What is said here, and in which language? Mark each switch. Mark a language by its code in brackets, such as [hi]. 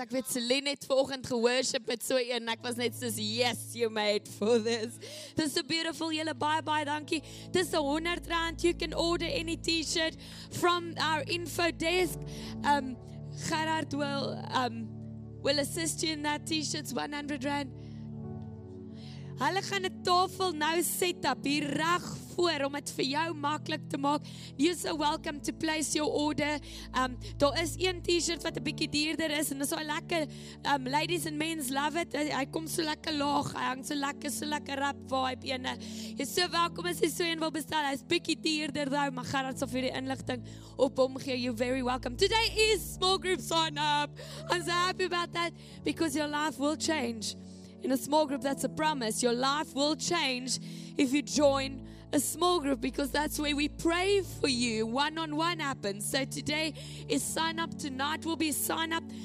[af] Ek weet Celine het vanoggend geworship met so een, ek was net soos, [en] yes, you're made for this. This is so beautiful, julle, bye bye, dankie. This is R100, you can order any t-shirt from our info desk. Gerard will assist you in that t-shirt, R100. [af] Hulle gaan 'n tafel nou set up hier reg voor om dit vir jou maklik te maak. [en] You're so welcome to place your order. [af] Daar is een T-shirt wat 'n bietjie duurder is en dis so lekker. [en] Ladies and men's love it. [af] Hy kom so lekker laag. Hy hang so lekker rap vibe ene. Jy's so welkom as jy so een wil bestel. Hy's bietjie duurder nou, maar Gerard sal vir die inligting op hom gee. [en] You're very welcome. Today is small group sign up. I'm so happy about that because your life will change. In a small group, that's a promise. Your life will change if you join a small group because that's where we pray for you. One-on-one happens. So today is sign up. Tonight will be sign up.